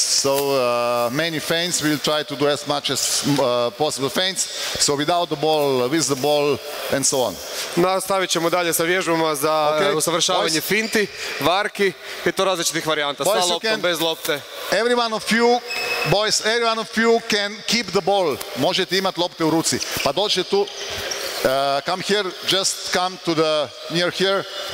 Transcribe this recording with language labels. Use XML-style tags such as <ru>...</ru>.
<en>So many feints, we'll try to do as much as possible feints. So without the ball, with the ball, and so on.</en> <bs>Nastavit ćemo dalje sa vježbama za usavršavanje finti, varki i to različitih varijanta. Sa loptom, bez lopte.</bs> <en>Everyone of you, boys, everyone of you can keep the ball.</en> <bs>Možete imati lopte u ruci. Pa dođete tu.</bs> <en>Come here, just come to the near here.</en>